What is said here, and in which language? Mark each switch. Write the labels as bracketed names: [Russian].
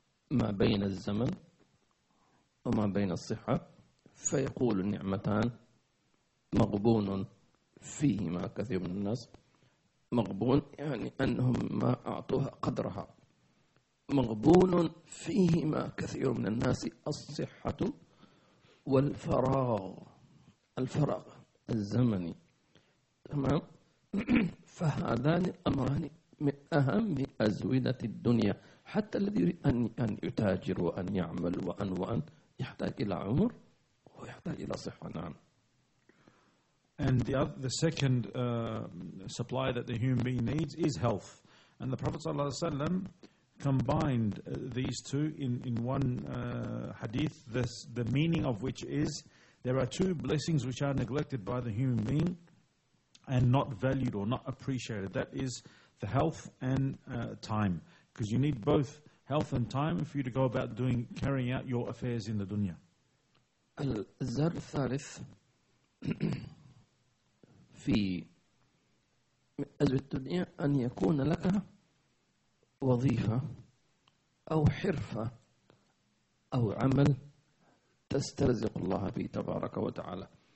[Arabic] ما بين الزمن وما بين الصحة، فيقول النعمتان مغبون فيهما كثير من الناس، مغبون يعني أنهم ما أعطوها قدرها، مغبون فيهما كثير من الناس الصحة والفراغ، الفراغ الزمني، تمام. فهذان الأمران من أهم أزودة الدنيا. حتى الذي يريد أن يتاجر وأن يعمل وأن يحتاج إلى عمر ويحتاج إلى صحة. نعم. [English] And the second supply that the human being needs is health. And the Prophet sallallahu alaihi wasallam combined these two in one hadith, the meaning of which is there are two blessings which are neglected by the human being and not valued or not appreciated. That is the health and time. Because you need both health and time for you to go about doing carrying out your affairs in the dunya. [Arabic] الزر الثالث في أزمة الدنيا أن يكون لك وظيفة أو حرفة أو عمل تسترزق الله به تبارك وتعالى.